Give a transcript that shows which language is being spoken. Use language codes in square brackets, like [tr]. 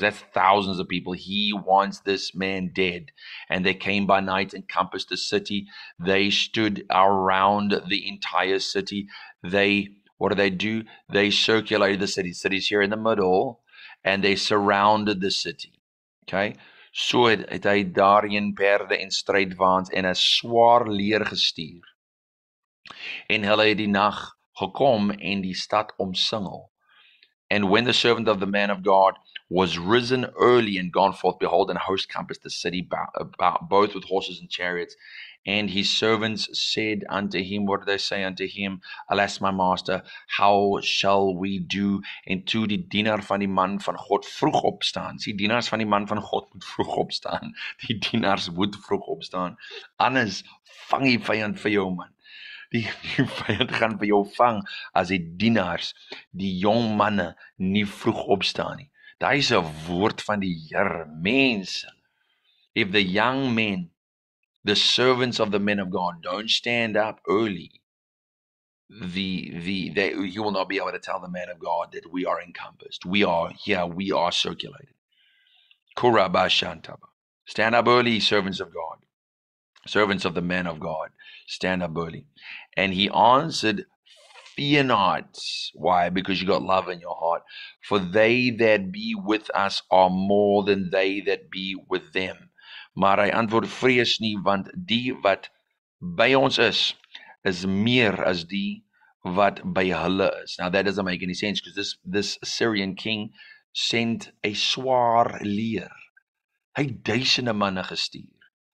[en] That's thousands of people. He wants this man dead. And they came by night and compassed the city. They stood around the entire city. They, what do? They circulated the city. The city's here in the middle, and they surrounded the city. Okay. [af] So het hy daarheen perde en strydwaans en 'n swaar leer gestuur. En hulle het die nag gekom en die stad omsingel. [en] And when the servant of the man of God was risen early and gone forth, behold, an host compassed the city both with horses and chariots. And his servants said unto him, what did they say unto him? Alas, my master, how shall we do? [af] And to die dienaar van die man van God vroeg opstaan. See, dienaars van die man van God moet vroeg opstaan. Die dienaars moet vroeg opstaan. Anders, vang die vijand vir jou, man. Die vijand gaan vir jou vang as die dienaars, die jong manne, nie vroeg opstaan nie. Daar is 'n woord van die Heer, mense. [en] If the young men, the servants of the men of God, don't stand up early, you will not be able to tell the man of God that we are encompassed. We are here. We are circulated. Kuraba shantaba. Stand up early, servants of God. Servants of the man of God, stand up early. And he answered, fear not. Why? Because you got love in your heart. For they that be with us are more than they that be with them. [af] Maar hy antwoord, vrees nie, want die wat by ons is, is meer as die wat by hulle is. [en] Now that doesn't make any sense, because this Assyrian king sent a [af] swaar leer. Hy het duisende manne gestuur.